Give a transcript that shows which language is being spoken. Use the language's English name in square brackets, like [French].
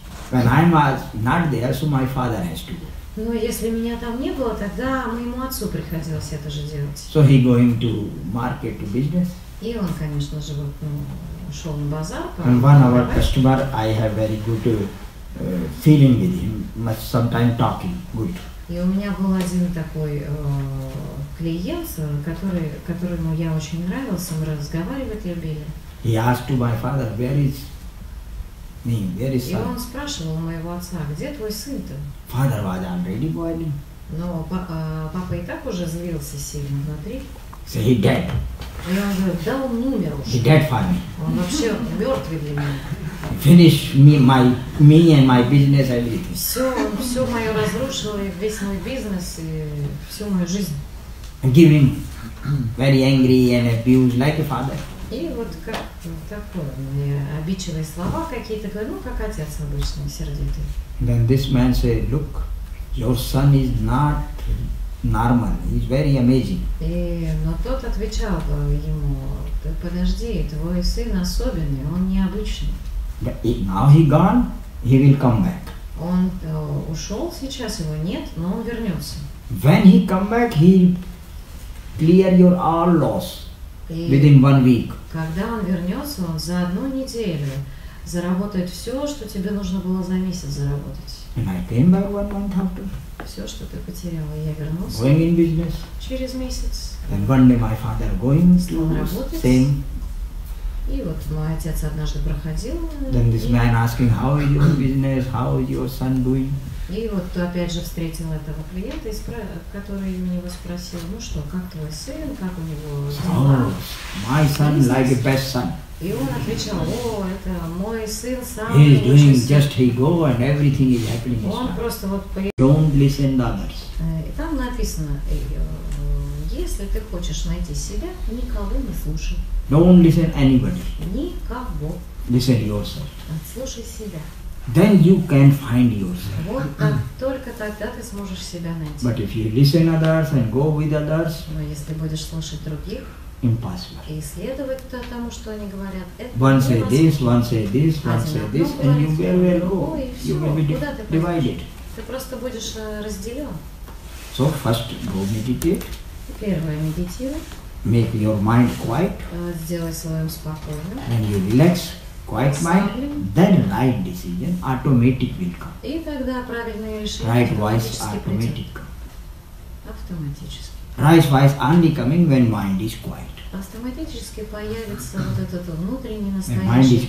[English] When I was not there, so my father has to go. [Russian] Но если меня там не было, тогда моему отцу приходилось это же делать. [English] So he going to market, to business. [Russian] И он, конечно же, вот, ну, ушел на базар. [English] And one of our customer, I have very good feeling with him, much sometime talking, good. [Russian] И у меня был один такой клиент, которому я очень нравился, мы разговаривать любили. [English] He asked to my father, where is me, where is son? [Russian] И он спрашивал у моего отца, где твой сын-то? [English] Father was already boiling. [Russian] Но папа и так уже злился сильно, смотри. [English] So he dead. [Russian] И он говорит, да он умер уже. [English] He dead for me. [Russian] Он вообще мертвый для меня. [English] Finish me and my business everything. [Russian] Все мое разрушило, и весь мой бизнес, и всю мою жизнь. [English] And give him very angry and abused like a father. [Russian] И вот как-то такое, обидчивые слова какие-то, ну как отец обычно, сердитый. [English] Then this man said, look, your son is not normal, he's very amazing. [Russian] Но тот отвечал ему, подожди, твой сын особенный, он необычный. [English] But now he gone, he will come back. [Russian] Он ушел сейчас, его нет, но он вернется. [English] When he come back, he clear your all loss within 1 week. [Russian] Когда он вернется, он за одну неделю заработает все, что тебе нужно было за месяц заработать. [English] And I came back 1 month after. [Russian] Все, что ты потерял, я вернулся. [English] Going in business. [Russian] Через месяц. [English] And one day my father going to same. [Russian] И вот мой отец однажды проходил. [English] Then this man asking, how is your business, how is your son doing? [Russian] И вот ты опять же встретил этого клиента, который мне его спросил, ну что, как твой сын, как у него дела? [English] Oh, my son is like the best son. [Russian] И он отвечал, о, это мой сын сам. [English] He is doing just he go and everything is happening. [Russian] Он просто вот [English] Don't listen to others. [Russian] И там написано, если ты хочешь найти себя, никого не слушай. [English] Don't listen anybody. [Russian] Никого. [English] Listen yourself. [Russian] Слушай себя. [English] Then you can find yourself. [Russian] Вот только тогда ты сможешь себя найти. [English] But if you listen others and go with others, [Russian] но если будешь слушать других, [English] impossible. [Russian] И следовать то тому, что они говорят, это [English] one say this, one say this, one say this, and you will go. You will be divided. [Russian] Ты просто будешь разделен. [English] So first go meditate. [Russian] Первое медитируй. [English] Make your mind quiet. [Russian] Сделай свой ум спокойным. [English] And you relax. Quiet mind, then right decision, automatic will come. [Russian] И тогда правильное решение. [English] Right voice, automatic. [Russian] Автоматически. [English] Right voice only coming when mind is quiet. [Russian] Автоматически появится вот этот внутренний настоящий